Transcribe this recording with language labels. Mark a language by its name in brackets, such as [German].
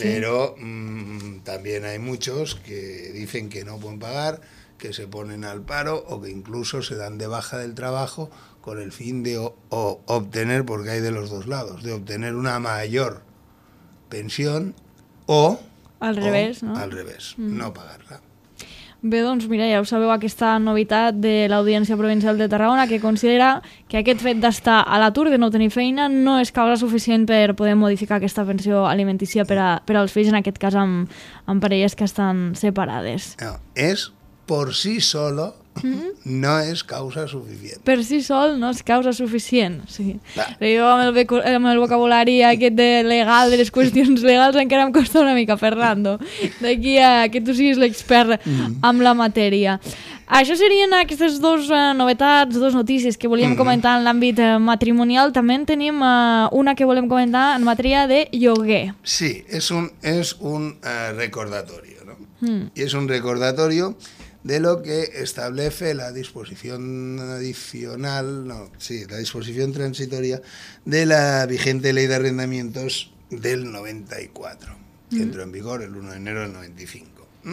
[Spanish] Pero también hay muchos que dicen que no pueden pagar, que se ponen al paro o que incluso se dan de baja del trabajo con el fin de obtener, porque hay de los dos lados, de obtener una mayor pensión o... Al revés, ¿no? Al revés, no pagarla. [Catalan] Bé, doncs mira, ja ho sabeu, aquesta novetat de l'Audiència Provincial de Tarragona, que considera que aquest fet d'estar a l'atur, de no tenir feina, no és causa suficient per poder modificar aquesta pensió alimentícia per als fills, en aquest cas amb parelles que estan separades. No, és per si solo, no és causa suficient. Per si sol no és causa suficient. Sí. Va. Jo amb el vocabulari aquest de legal, de les qüestions legals, encara em costa una mica, Fernando, d'aquí a que tu siguis l'expert amb la matèria. Això serien aquestes dues novetats, dues notícies que volíem comentar en l'àmbit matrimonial. També en tenim una que volem comentar en matèria de lloguer. Sí, és un recordatori. No? I és un recordatori [Spanish] de lo que establece la disposición adicional, no, sí, la disposición transitoria de la vigente Ley de Arrendamientos del 94, que entró en vigor el 1 de enero del 95.